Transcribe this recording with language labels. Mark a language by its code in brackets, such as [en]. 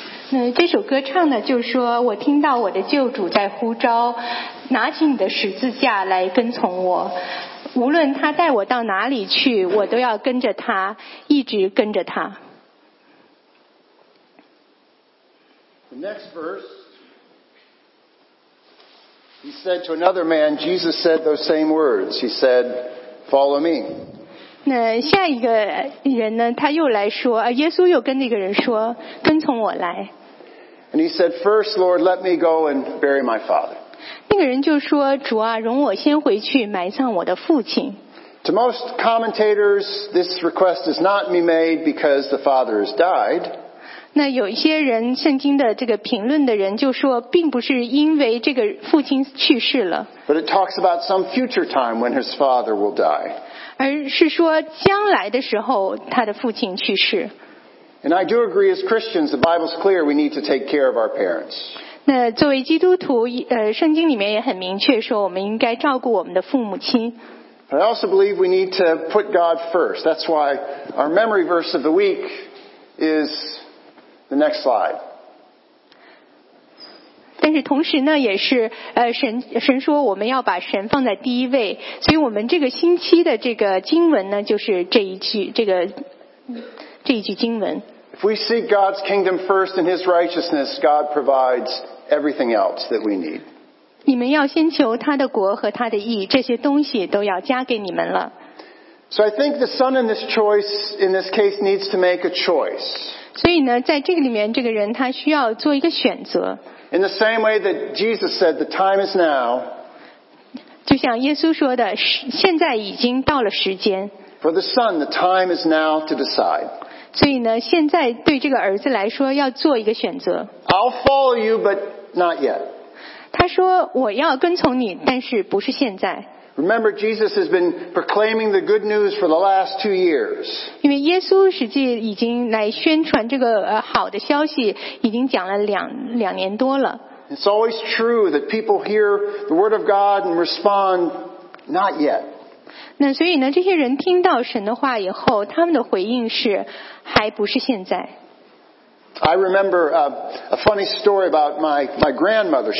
[en] This [zh] 首歌唱的就是说，我听到我的救主在呼召，拿起你的十字架来跟从我。无论他带我到哪里去，我都要跟着他，一直跟着他。 [en] The next verse, he said to another man, Jesus said those same words. He said, "Follow me." [zh] 那下一个人呢？他又来说，耶稣又跟那个人说，跟从我来。 [en] And he said, first, Lord, let me go and bury my father. [zh] 那个人就说，主啊，容我先回去埋葬我的父亲。 [en] To most commentators, this request is not to be made because the father has died. [zh] 那有一些人，圣经的这个评论的人就说，并不是因为这个父亲去世了。 [en] But it talks about some future time when his father will die. [zh] 而是说将来的时候他的父亲去世。 [en] And I do agree, as Christians, the Bible's clear we need to take care of our parents. [zh] 那作为基督徒，圣经里面也很明确说，我们应该照顾我们的父母亲。 [en] But I also believe we need to put God first. That's why our memory verse of the week is the next slide. [zh] 但是同时呢，也是神说我们要把神放在第一位，所以我们这个星期的这个经文呢，就是这一句这个。 [en] If we seek God's kingdom first and His righteousness, God provides everything else that we need. [zh] 你们要先求他的国和他的义，这些东西都要加给你们了。 [en] So I think the son in this choice, in this case, needs to make a choice. [zh] 所以呢，在这个里面，这个人他需要做一个选择。 [en] In the same way that Jesus said, "The time is now." [zh] 就像耶稣说的，现在已经到了时间。 [en] For the son, the time is now to decide. [zh] 所以呢，现在对这个儿子来说，要做一个选择。 [en] I'll follow you, but not yet. [zh] 他说我要跟从你，但是不是现在。 [en] Remember, Jesus has been proclaiming the good news for the last 2 years. [zh] 因为耶稣实际已经来宣传这个好的消息，已经讲了两年多了。 [en] It's always true that people hear the word of God and respond, not yet. [zh] 那所以呢，这些人听到神的话以后，他们的回应是，还不是现在。 [en] I remember a funny story about my grandmother.